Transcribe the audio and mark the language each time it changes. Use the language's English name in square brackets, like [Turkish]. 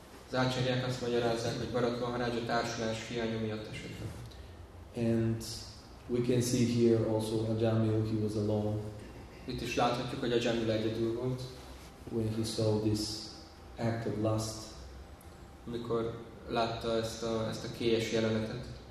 [Hungarian] Az Acharyák azt magyarázzák, hogy Bharat Maharaj a társulás hiánya miatt esett. [English] And We can see here also Ajamil, he was alone. [Hungarian] Itt is láthatjuk, hogy Ajamil egyedül volt. [English] When he saw this act of lust, [Hungarian] amikor látta ezt a kélyes jelenetet.